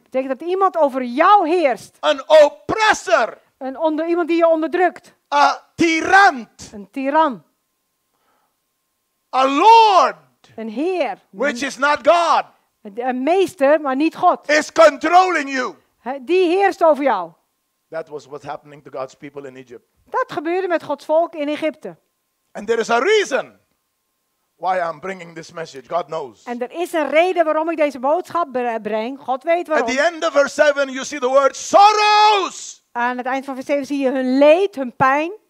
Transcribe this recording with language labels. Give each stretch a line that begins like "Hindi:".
Dutch: Betekent dat iemand over jou heerst.
English: An oppressor.
Dutch: Iemand die je onderdrukt.
English: A tyrant.
Dutch: Een tiran.
English: A lord.
Dutch: Een heer.
English: Which is not God.
Dutch: Een meester, maar niet God.
English: Is controlling you.
Dutch: Die heerst over jou.
English: That was what's happening to God's people in Egypt.
Dutch: Dat gebeurde met Gods volk in Egypte.
English: And there is a reason why I'm bringing this message. God knows.
Dutch: En er is een reden waarom ik deze boodschap breng. God weet waarom.
English: At the end of verse 7 you see the word sorrows.
Dutch: Aan het eind van vers 7 zie je hun leed, hun pijn.